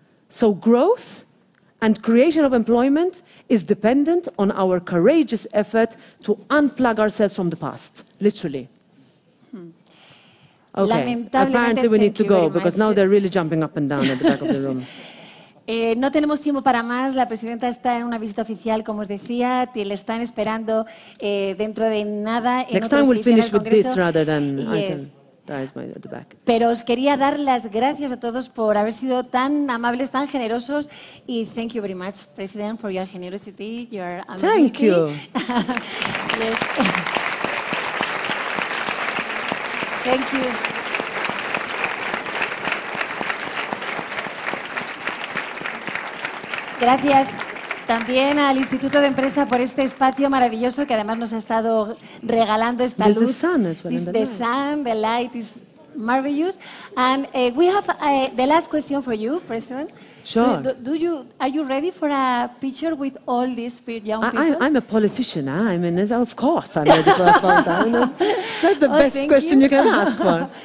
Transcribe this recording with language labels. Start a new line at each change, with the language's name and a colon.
English: So growth and creation of employment is dependent on our courageous effort to unplug ourselves from the past, literally. Hmm. Okay, apparently we need to go because now they're really jumping up and down at the back of the room.
Spanish: No tenemos tiempo para más. La presidenta está en una visita oficial, como os decía. Le están esperando dentro de nada.
English: Next time we'll finish with this rather than item.
Spanish: Pero os quería dar las gracias a todos por haber sido tan amables, tan generosos, y
English: thank you very much, President, for your generosity, your amability. Thank you. Yes. Thank you.
Spanish: Gracias. También al Instituto de Empresa por este espacio maravilloso que además nos ha estado regalando esta
English: this
Spanish: luz.
English: The sun, as well, the sun, the light is marvelous. And we have the last question for you, President. Sure. Are you ready for a picture with all these young people? I'm a politician. Huh? I mean, of course I'm ready for a photo. That's the best question you can ask for.